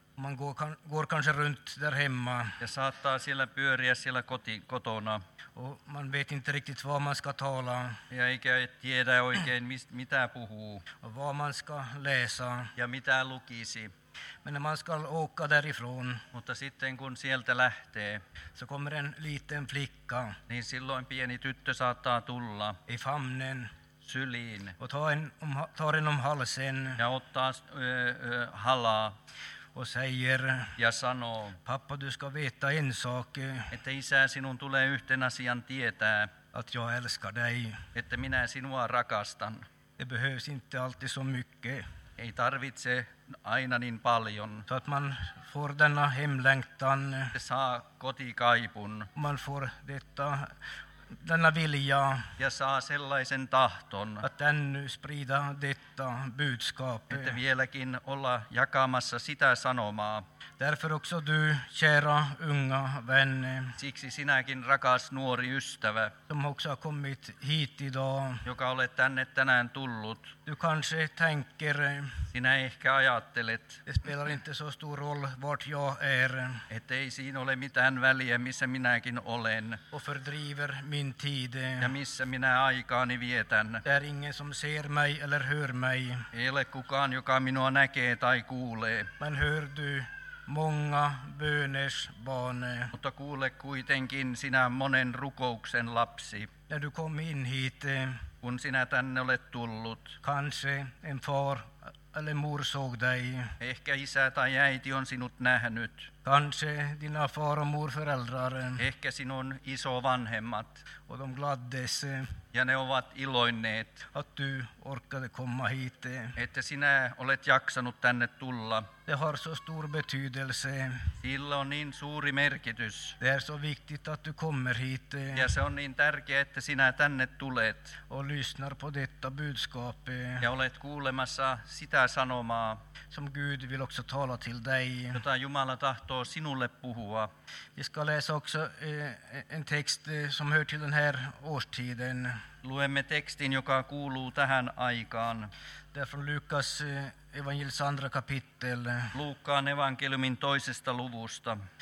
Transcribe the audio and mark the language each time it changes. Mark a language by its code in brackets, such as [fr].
[sv] Man går kanske runt där hemma. [fi] Ja saattaa siellä pyöriä siellä kotona. [sv] Och man vet inte riktigt vad man ska tala. [fi] Ja eikä tiedä oikein mitä puhuu. [sv] Och vad man ska läsa. [fi] Ja mitä lukisi. [sv] Men när man ska åka därifrån. [fi] Mutta sitten kun sieltä lähtee. [sv] Så kommer en liten flicka. [fi] Niin silloin pieni tyttö saattaa tulla. [sv] I famnen. [fi] Syliin. [sv] Och tar en om halsen. [fi] Ja ottaa halaa. [sv] Och säger, [fi] ja sanoo, [sv] pappa du ska veta en sak, [fi] että isä sinun tulee yhten asian tietää, [sv] att jag älskar dig, [fi] että minä sinua rakastan. [sv] Det behövs inte alltid så mycket. [fi] Ei tarvitse aina niin paljon. [sv] Så att man får denna hemlängtan, [fi] saa kotikaipun, [sv] man får detta, denna vilja, [fi] ja saa sellaisen tahton, [sv] att ännu sprida detta budskap, [fi] että vieläkin olla jakamassa sitä sanomaa. [sv] Därför också du, kära unga vän, [fi] siksi sinäkin rakas nuori ystävä, [sv] som också har kommit hit idag, [fi] joka olet tänne tänään tullut, [sv] du kanske tänker, [fi] sinä ehkä ajattelet, [sv] det spelar inte så stor roll vart jag är, [fi] et ei siinä ole mitään väliä, missä minäkin olen, [sv] och fördriver min tid. [fi] Ja missä minä aikaani vietän. [sv] Det är ingen som ser mig eller hör mig. [fi] Ei ole kukaan, joka minua näkee tai kuulee. [sv] Men hör du många böners barn. [fi] Mutta kuule kuitenkin sinä monen rukouksen lapsi. [sv] När du kom in hit. [fi] Kun sinä tänne olet tullut. [sv] Kanske en far eller mor såg dig. [fi] Ehkä isä tai äiti on sinut nähnyt. [sv] Kanske dina far och mor föräldrar. [fi] Ehkä sinun isovanhemmat. [sv] Och de gladdes. [fi] Ja ne ovat iloinneet. [sv] Att du orkade komma hit. [fi] Että sinä olet jaksanut tänne tulla. [sv] Det har så stor betydelse. [fi] Sillä on niin suuri merkitys. [sv] Det är så viktigt att du kommer hit. [fi] Ja se on niin tärkeä, että sinä tänne tulet. [sv] Och lyssnar på detta budskap. [fi] Ja olet kuulemassa sitä sanomaa. [sv] Som Gud vill också tala till dig. [fi] Jota Jumala tahtoo sinulle puhua. [sv] Vi ska läsa också en text som hör till den här årstiden. [fi] Luemme tekstin, joka kuuluu tähän aikaan. [sv] Det är från Lukas evangelis andra kapitel. [fi] Luukkaan evankeliumin toisesta luvusta.